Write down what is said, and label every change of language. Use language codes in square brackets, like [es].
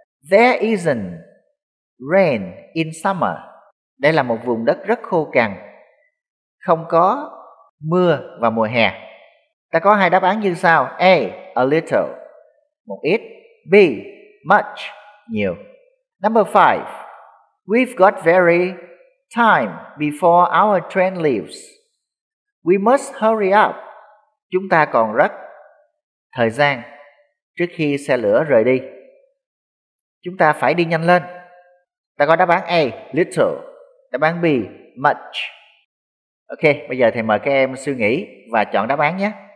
[en] There isn't rain in summer. [vi] Đây là một vùng đất rất khô cằn, không có mưa vào mùa hè. Ta có hai đáp án như sau: A, a little, một ít. B, much, nhiều. [en] Number 5. We've got very time before our train leaves. We must hurry up. [vi] Chúng ta còn rất thời gian trước khi xe lửa rời đi. Chúng ta phải đi nhanh lên. Ta có đáp án A, little. Đáp án B, much. Ok, bây giờ thầy mời các em suy nghĩ và chọn đáp án nhé.